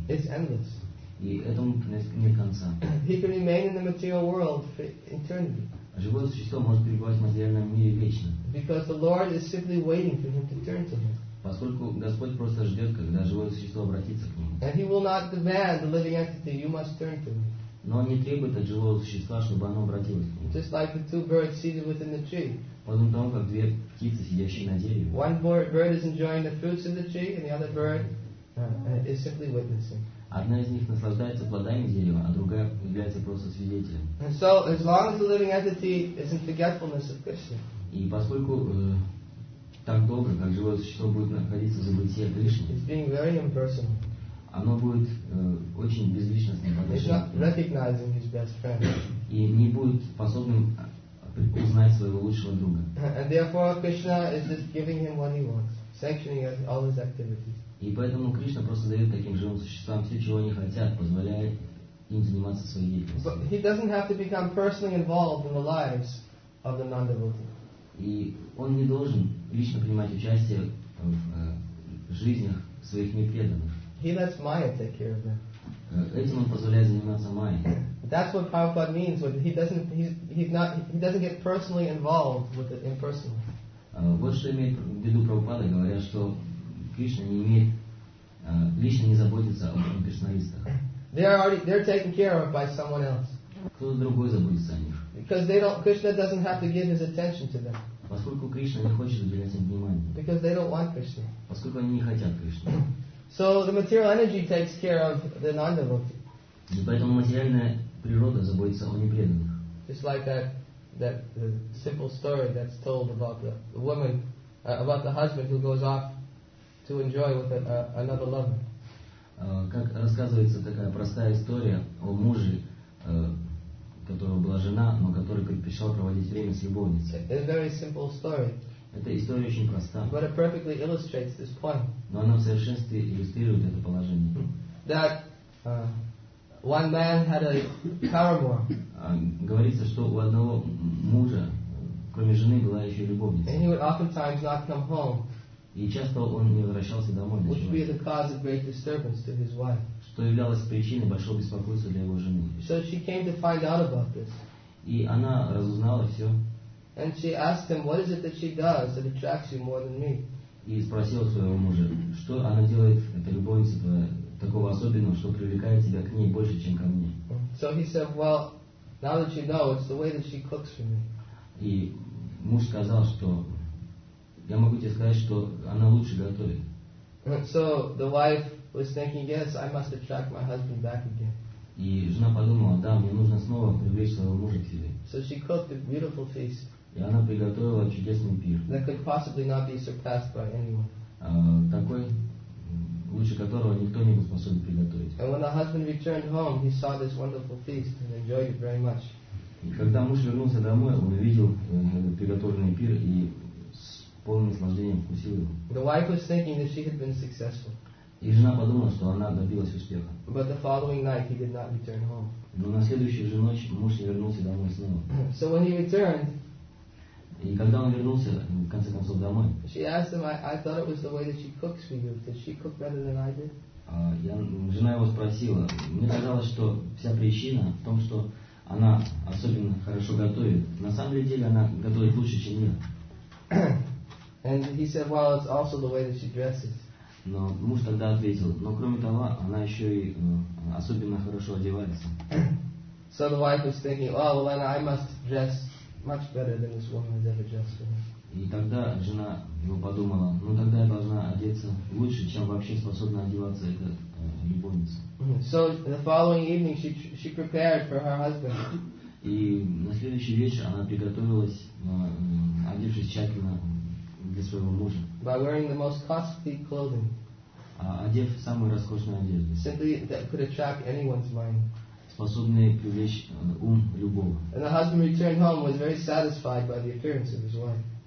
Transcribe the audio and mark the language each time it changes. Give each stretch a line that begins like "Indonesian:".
English: It's endless.
Russian: И этому нет конца.
English: He can remain in the material world for eternity.
Russian: Живое существо может пребывать в материальном мире вечно.
English: Because the Lord is simply waiting for him to turn to him.
Russian: Поскольку Господь просто ждет, когда живое существо обратится к нему.
English: And he will not demand the living entity, you must turn to me.
Russian: Но он не требует от живого существа, чтобы оно обратилось к нему.
English: Just like the two birds seated within the tree.
Russian: Подобно тому, как две птицы, сидящие на дереве.
English: One bird is enjoying the fruits of the tree, and the other bird is simply witnessing.
Russian: Одна из них наслаждается плодами дерева, а другая является просто свидетелем.
English: And so, as long as the living entity is in forgetfulness of Krishna.
Russian: И поскольку так долго, как живое существо будет находиться в забытии Кришны,
English: it's being very impersonal.
Russian: Оно будет очень безличностным.
English: It's not recognizing his best friend.
Russian: И не будет способным узнать своего лучшего друга.
English: And therefore, Krishna is just giving him what he wants, sanctioning all his activities.
Russian: И поэтому Кришна просто дает таким живым существам все, чего они хотят, позволяя им заниматься своей деятельностью.
English: But he doesn't have to become personally involved in the lives of the non-devotees.
Russian: И он не должен лично принимать участие в жизнях своих непреданных.
English: He lets Maya take care of them.
Russian: Этим он позволяет заниматься Майей.
English: That's what Prabhupada means. He doesn't get personally involved with it impersonally.
Russian: Вот что имеет в виду Прабхупада, говоря, что Кришна не имеет, лично не заботится о персоналистах.
English: They're taken care of by someone else.
Russian: Кто-то другой заботится о них.
English: Because Krishna doesn't have to give his attention to them.
Russian: Поскольку Кришна не хочет уделять им внимание.
English: Because they don't want Krishna.
Russian: Поскольку они не хотят Кришны.
English: So the material energy takes care of the non-devotee.
Russian: И поэтому материальная природа заботится о непреданных.
English: Just like that that simple story that's told about the woman, about the husband who goes off to enjoy with another lover.
Russian: Как рассказывается такая простая история о муже, которого была жена, но который предпочел проводить время с любовницей.
English: It's a very simple story.
Russian: Эта история очень проста.
English: But it perfectly illustrates this point.
Russian: Но она в совершенстве иллюстрирует это положение.
English: That one man had a paramour.
Russian: Говорится, что у одного мужа, кроме жены, была еще любовница.
English: And he would oftentimes not come home.
Russian: И часто он не возвращался домой.
English: Which would be the cause of great disturbance to his wife.
Russian: Что являлось причиной большого беспокойства для его жены.
English: So she came to find out about this.
Russian: И она разузнала все.
English: And she asked him, what is it that she does that attracts you more than me?
Russian: И спросила своего мужа, что она делает, эта любовница твоя, такого особенного, что привлекает тебя к ней больше, чем ко мне.
English: So he said, well, now that you know, it's the way that she cooks for me.
Russian: И муж сказал, что я могу тебе сказать, что она лучше готовит.
English: So the wife was thinking, yes, I must attract my husband back again.
Russian: И жена подумала, да, мне нужно снова привлечь своего мужа к себе.
English: So she cooked a beautiful feast.
Russian: И она приготовила чудесный пир.
English: That could possibly not be surpassed by anyone.
Russian: Такой, лучше которого никто не был способен приготовить.
English: And when the husband returned home, he saw this wonderful feast and enjoyed it very much.
Russian: И когда муж вернулся домой, он увидел приготовленный пир и полным наслаждением вкусил его.
English: The wife was thinking that she had been successful.
Russian: И жена подумала, что она добилась успеха.
English: But the following night he did not return home.
Russian: Но на следующую же ночь муж не вернулся домой снова.
English: So when he returned,
Russian: и когда он вернулся, в конце концов, домой,
English: she asked him, I thought it was the way that she cooks for you. Did she cook better than I did?
Russian: Жена его спросила, мне казалось, что вся причина в том, что она особенно хорошо готовит. На самом деле она готовит лучше, чем я.
English: And he said, well, it's also the way that she dresses.
Russian: Но муж тогда ответил, но кроме того, она еще и особенно хорошо одевается.
English: So the wife was thinking, oh, well, then I must dress much better than this woman has ever dressed for me.
Russian: И тогда жена его подумала, ну тогда я должна одеться лучше, чем вообще способна одеваться эта любовница.
English: So the following evening she prepared for her husband.
Russian: И на следующий вечер она приготовилась, одевшись тщательно, для своего мужа.
English: By wearing the most costly clothing.
Russian: Одев самую роскошную одежду.
English: Simply that could attract anyone's mind.
Russian: Способные привлечь ум любого.
English: And the husband returned home was very satisfied by the appearance of his wife.